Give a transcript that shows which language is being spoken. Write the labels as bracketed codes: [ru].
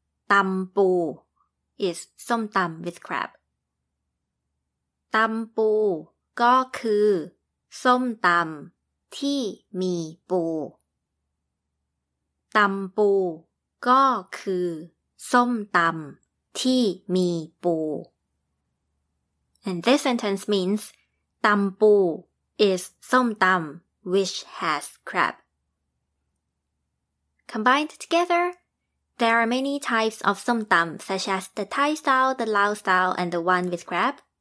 [en] ตำปู is som tam with crab. [th] ตำปู ก็คือส้มตำที่มีปู ตำปู ก็คือส้มตำที่มีปู [en] And this sentence means ตำปู is ส้มตำ which has crab. Combined together, there are many types of ส้มตำ such as the Thai style, the Lao style, and the one with crab.